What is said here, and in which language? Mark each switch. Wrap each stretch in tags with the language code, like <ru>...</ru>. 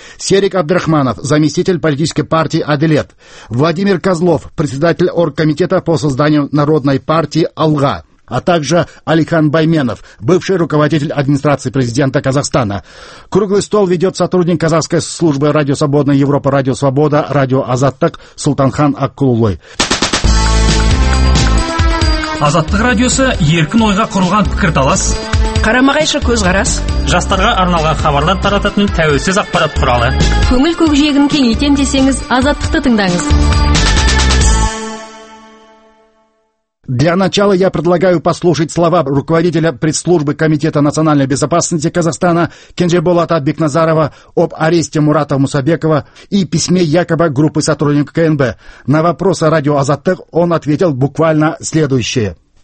<ru>Серик Абдрахманов, заместитель политической партии «Аделет». Владимир Козлов, председатель оргкомитета по созданию народной партии «Алга». А также Алихан Байменов, бывший руководитель администрации президента Казахстана. Круглый стол ведет сотрудник казахской службы «Радио Свободная Европа», «Радио Свобода», «Радио Азаттык» Сұлтанхан Аққұлұлы.</ru> <kk>Азаттық радиосы еркін ойға құрылған пікірталас. Қарама-қайшы көзқарас. Жастарға арналған хабарлар тарататын тәуелсіз ақпарат құралы. Көңіл көкжиегін кеңейтем десеңіз, Азаттықты тыңдаңыз.</kk> <ru>Для начала я предлагаю послушать слова руководителя пресс-службы Комитета национальной безопасности Казахстана Кенжеболата Бекназарова об аресте Мурата Мусабекова и письме якобы группы сотрудников КНБ. На вопросы радио «Азаттык» он ответил буквально следующее.</ru>